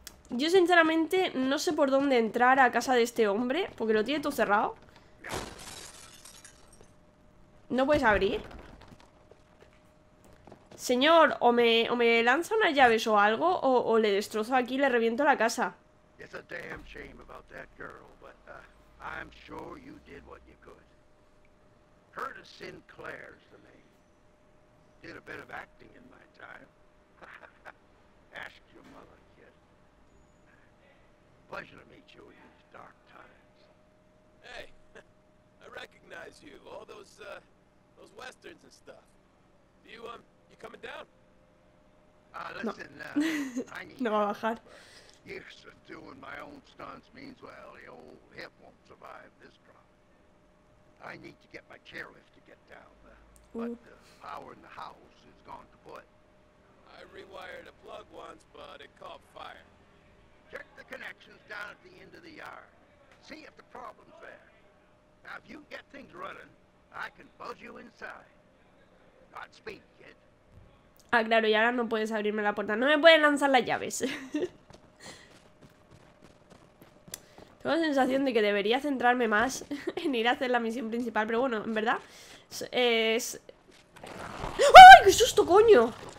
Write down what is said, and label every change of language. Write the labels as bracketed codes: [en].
[es] Yo sinceramente no sé por dónde entrar a casa de este hombre, porque lo tiene todo cerrado. ¿No puedes abrir? Señor, o me lanza unas llaves o algo, o le destrozo aquí y le reviento la casa. Es una [en] damn shame about that girl, but I'm sure you did what you could. Curtis Sinclair's the name. Did a bit of acting in my time. Ask your mother, kid. Pleasure to meet you in these dark times. Hey, I recognize you. All those westerns and stuff. Do you you coming down? Listen, no. I need [es] no va a bajar. [en] Years of doing my own stunts means, well, the old hip won't survive this drop. I need to get my chairlift to get down, but the power in the house is gone to put. I rewired a plug once, but it caught fire. Check the connections down at the end of the yard. See if the problem's there. Now, if you get things running, I can buzz you inside. Godspeed, kid. [es] Ah, claro, y ahora no puedes abrirme la puerta. No me pueden lanzar las llaves. Tengo la sensación de que debería centrarme más en ir a hacer la misión principal, pero bueno, en verdad es... ¡Ay, qué susto, coño!